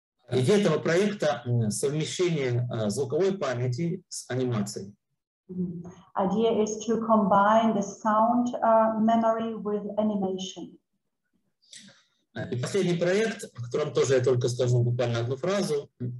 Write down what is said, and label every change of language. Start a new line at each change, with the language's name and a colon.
Russian: Идея этого проекта — совмещение звуковой памяти с анимацией.
English: Idea is to combine the sound memory with animation.
Russian: И последний проект, о котором тоже я только скажу буквально одну фразу.